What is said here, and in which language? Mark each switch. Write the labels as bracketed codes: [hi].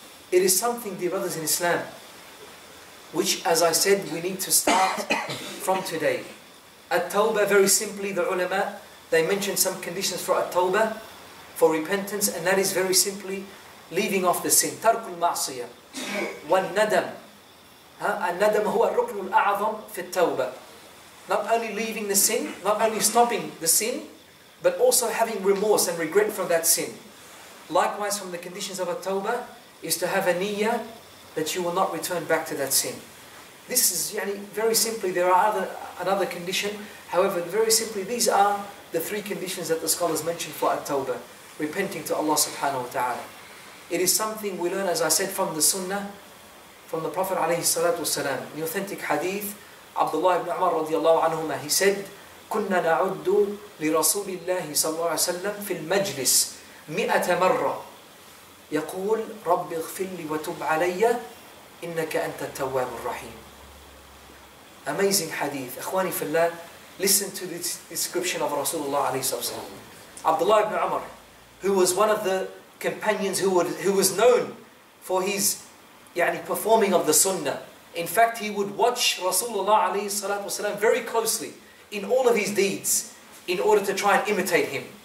[en] It is something, dear brothers in Islam, which, as I said, we need to start from today. At-tawbah, very simply, the ulama, they mentioned some conditions for at-tawbah, for repentance, and that is very simply leaving off the sin. [ar] Tarkul ma'asiyah. والندم الندم هو الركن الأعظم في التوبة. [en] Not only leaving the sin, not only stopping the sin, but also having remorse and regret for that sin. Likewise, from the conditions of a tawbah is to have a niyyah that you will not return back to that sin. This is yani, very simply, there are another condition, however, very simply, these are the three conditions that the scholars mentioned for a tawbah, repenting to Allah subhanahu wa ta'ala. It is something we learn, as I said, from the Sunnah, from the Prophet [ar] عليه الصلاة والسلام. [en] In the authentic hadith, Abdullah ibn Umar radiallahu anhuma, he said, [ar] كُنَّ نَعُدُّ لِرَسُولِ اللَّهِ صَلَّى اللَّهُ عَلَيْهِ وَسَلَّمَ فِي الْمَجْلِسِ مِئَةَ مَرَّةِ يَقُولُ رَبِّ اغْفِرْ لِي وَتُبْ عَلَيَّ إِنَّكَ أَنْتَ التَّوَّابُ الرَّحِيمُ. [en] Amazing hadith. [ar] Akhwani fillah, [en] listen to this description of Rasulullah [ar] عليه الصلاة والسلام. [en] Abdullah ibn Umar, who was one of the companions who was known for his yani, performing of the sunnah. In fact, he would watch Rasulullah alayhi salatu wasalam very closely in all of his deeds in order to try and imitate him.